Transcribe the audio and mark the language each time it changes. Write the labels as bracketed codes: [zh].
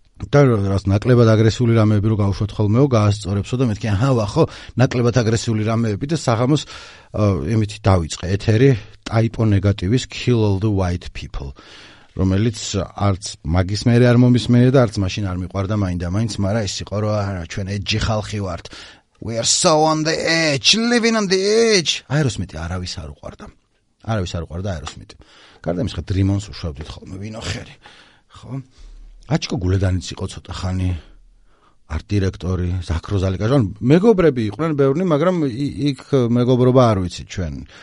[ka] და რაღაც ნაკლებად აგრესიული რამეები რო გავუშვათ ხოლმეო, გაასწორებსო და მეთქე აჰა ხო, ნაკლებად აგრესიული რამეები და საღამოს იმით დაიწყე ეთერი ტაიპო ნეგატივის Kill All The White People. რომელიც არც მაგის მერე არ მომისმენია და არც მაშინ არ მიყვარდა მაინდამაინც, მაგრამ ის იყო რომ არა ჩვენ edge ხალხი ვართ. [en] We are so on the edge, living on the edge. [ka] Aerosmith-ი არავის არ უყვარდა. არავის არ უყვარდა Aerosmith-ი. გარდა იმისა, Dreamon-ს უშვებდით ხოლმე, ვინო ხერი? ხო? აჩკო გულედანიც იყო ცოტა ხანი არ დირექტორი, ზაქროზალიკაშვილი, ანუ მეგობრები იყვნენ ბევრი, მაგრამ იქ მეგობრობა არ ვიცი ჩვენ.